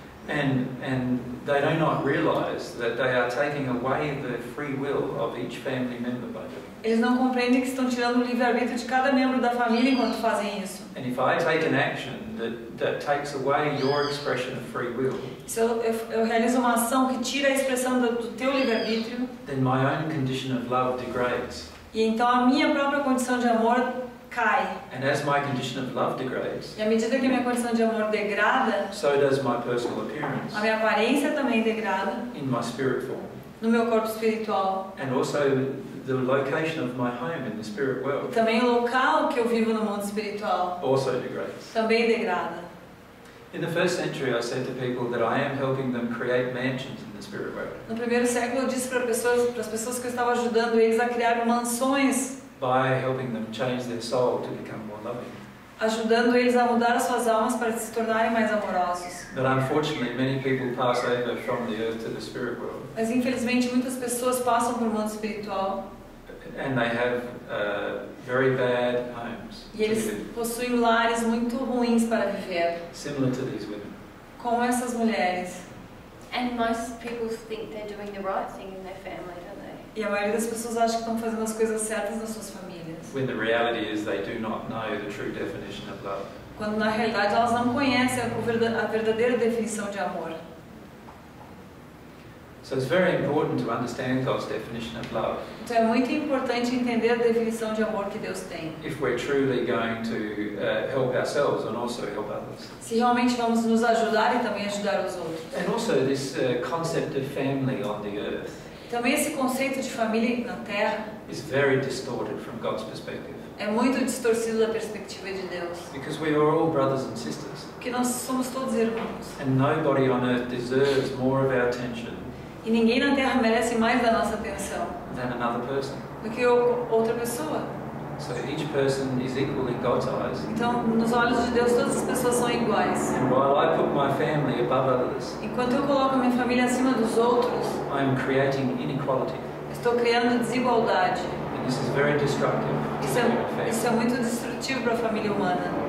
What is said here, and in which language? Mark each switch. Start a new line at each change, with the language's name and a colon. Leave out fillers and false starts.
English: And they do not realize that they are taking away the free will of each family member by doing.
Portuguese: Eles não compreendem que estão tirando o livre-arbítrio de cada membro da família enquanto fazem isso.
English: And if I take an action that takes away your expression of free will.
Portuguese: Se eu realizo uma ação que tira a expressão do teu livre-arbítrio,
English: then my own condition of love degrades.
Portuguese: E então a minha própria condição de amor cai.
English: And as my condition of love degrades.
Portuguese: E à medida que minha condição de amor degrada,
English: so does my personal appearance.
Portuguese: A minha aparência também degrada.
English: In my spirit form.
Portuguese: No meu corpo espiritual.
English: And also the location of my home in the spirit world.
Portuguese: Também o local que eu vivo no mundo espiritual.
English: Also degrades.
Portuguese: Também degrada.
English: In the first century, I said to people that I am helping them create mansions in the spirit world.
Portuguese: No primeiro século, eu disse para as pessoas que eu estava ajudando eles a criar mansões.
English: By helping them change their soul to become more loving.
Portuguese: Ajudando eles a mudar as suas almas para se tornarem mais amorosos.
English: But unfortunately, many people pass over from the earth to the spirit world.
Portuguese: Mas infelizmente muitas pessoas passam por um mundo espiritual.
English: And they have very bad homes.
Portuguese: E eles possuem lares muito ruins para viver.
English: Similar to these women.
Portuguese: Como essas mulheres.
English: And most people think they're doing the right thing in their family, don't they?
Portuguese: E a maioria das pessoas acha que estão fazendo as coisas certas nas suas famílias.
English: When the reality is they do not know the true definition of love.
Portuguese: Quando na realidade elas não conhecem a verdadeira definição de amor.
English: So it's very important to understand God's definition of love.
Portuguese: Então é muito importante entender a definição de amor que Deus tem.
English: If we're truly going to help ourselves and also help others.
Portuguese: Se realmente vamos nos ajudar e também ajudar os outros.
English: And also this concept of family on the earth.
Portuguese: Também esse conceito de família na Terra
English: is very distorted from God's perspective.
Portuguese: É muito distorcido da perspectiva de Deus.
English: Because we are all brothers and sisters.
Portuguese: Porque nós somos todos irmãos.
English: And nobody on earth deserves more of our attention.
Portuguese: E ninguém na Terra merece mais da nossa atenção.
English: Than another person.
Portuguese: Do que outra pessoa.
English: So each person is equal in God's eyes.
Portuguese: Então, nos olhos de Deus, todas as pessoas são iguais.
English: And while I put my family above others,
Portuguese: enquanto eu coloco minha família acima dos outros,
English: I am creating inequality.
Portuguese: Estou criando desigualdade.
English: And this is very destructive.
Portuguese: Isso é muito destrutivo para a família humana.